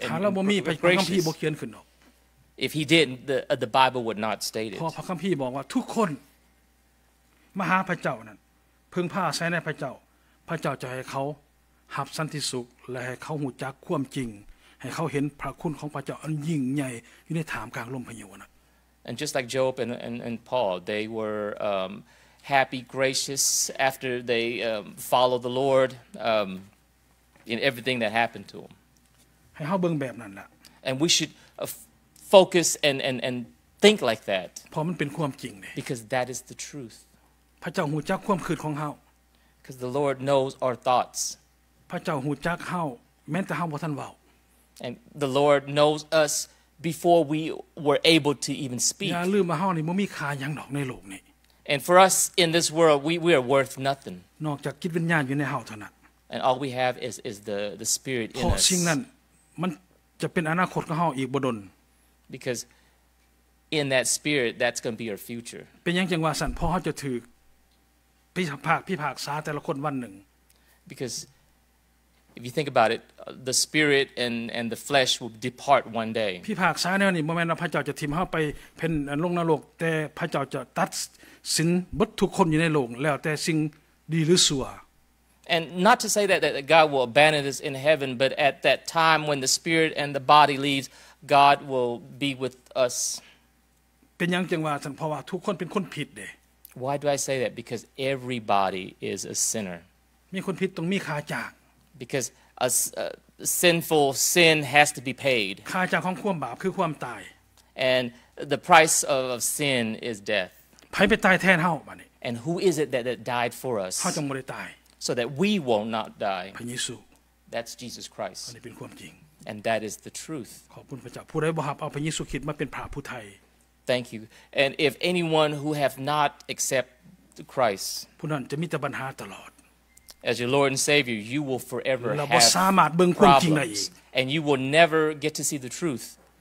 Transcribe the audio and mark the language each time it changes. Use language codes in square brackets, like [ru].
[tts] ถ้าเราบ่มีพระคัมภีร์บ่เขียนขึ้นหรอก [en] if he didn't the Bible would not state it [tts] พระคัมภีร์บอกว่าทุกคนมาหาพระเจ้านั้นพึงพาอาศัยในพระเจ้าพระเจ้าจะให้เขารับสันติสุขและให้เขาหูจักความจริงให้เขาเห็นพระคุณของพระเจ้าอันยิ่งใหญ่อยู่ในถามกลางลมพายุนะ [en] And just like Job and Paul, they were happy, gracious after they followed the Lord in everything that happened to them. [tts] ให้เฮาเบิ่งแบบนั้นล่ะ [en] And we should focus and think like that. [tts] เพราะมันเป็นความจริงนี่ [en] Because that is the truth. [tts] พระเจ้าฮู้จักความคิดของเฮา [en] Because the Lord knows our thoughts. [tts] พระเจ้าฮู้จักเฮาแม้แต่เฮาบ่ทันเว้า [en] And the Lord knows usBefore we were able to even speak. [tts] อย่าลืมว่าเฮานี่บ่มีค่าหยังดอกในโลกนี้ [en] And for us in this world we are worth nothing. [tts] นอกจากจิตวิญญาณอยู่ในเฮาเท่านั้น [en] And all we have is the spirit in us. [tts] เพราะสิ่งนั้นมันจะเป็นอนาคตของเฮาอีกบ่ดน [en] Because in that spirit that's going to be our future. [tts] เป็นหยังจังว่าซั่นพอเฮาจะถูกพิพากษาแต่ละคนวันหนึ่ง [en] BecauseIf you think about it, the spirit and the flesh will depart one day. [tts] พิพากษาในวันนี้บ่แม่นว่าพระเจ้าจะทิ่มเฮาไปเพิ่นลงนรกแต่พระเจ้าจะตัดสินเบิดทุกคนอยู่ในโลกแล้วแต่สิ่งดีหรือชั่ว [en] And not to say that God will abandon us in heaven, but at that time when the spirit and the body leaves, God will be with us. [tts] เป็นหยังจังว่าซั่นเพราะว่าทุกคนเป็นคนผิดเด้ [en] Why do I say that? Because everybody is a sinner. [tts] มีคนผิดต้องมีค่าจ้าง [en] Because a sinful sin has to be paid. [tts] ค่าจ้างของความบาปคือความตาย [en] And the price of sin is death. [tts] ใครไปตายแทนเฮาบัดนี้ [en] And who is it that died for us? [tts] เฮาจึงบ่ได้ตาย [en] So that we will not die. [tts] พระเยซู [en] That's Jesus Christ. [tts] อันนี้เป็นความจริง [en] And that is the truth. [tts] ขอบคุณพระเจ้าผู้ใดบ่รับเอาพระเยซูคริสต์มาเป็นพระผู้ไทย [en] Thank you. And if anyone who have not accepted Christ, [tts] ผู้นั้นจะมีแต่ปัญหาตลอด [en] As your Lord and Savior, you will forever have problems. And you will never get to see the truth.